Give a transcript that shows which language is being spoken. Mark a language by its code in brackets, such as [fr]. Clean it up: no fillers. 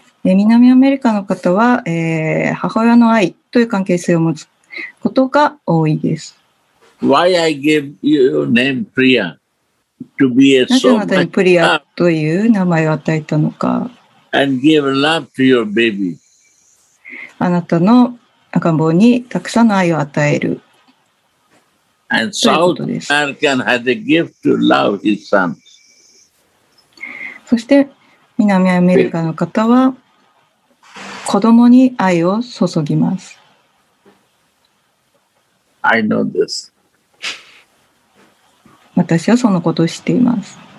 [ja] 南アメリカの方は、母親の愛という関係性を持つことが多いです。 [en] Why I gave you your name Priya? To be a soul. [ja] なぜあなたにプリアという名前を与えたのか。 [en] And give love to your baby. [ja] あなたの赤ん坊にたくさんの愛を与える。 [en] And South American had a gift to love his sons. [ja] そして南アメリカの方は子供に愛を注ぎます。 [en] I know this. [ja] 私はそのことを知っています。